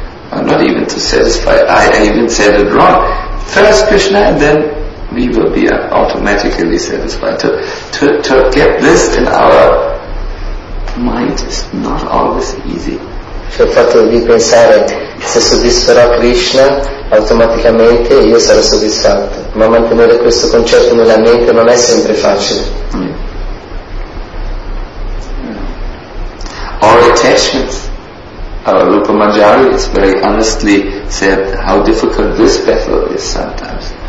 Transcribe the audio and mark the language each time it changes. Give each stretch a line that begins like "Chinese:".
English: I'm not even to satisfy, I even said it wrong. First Krishna, and then we will be automatically satisfied. To get this in our mind is not always easy.
Italian: Cioè il fatto di pensare se soddisferò Krishna automaticamente io sarò soddisfatto, ma mantenere questo concetto nella mente non è sempre facile.
English: Our attachments, our Rupa Manjari has very honestly said how difficult this battle is sometimes.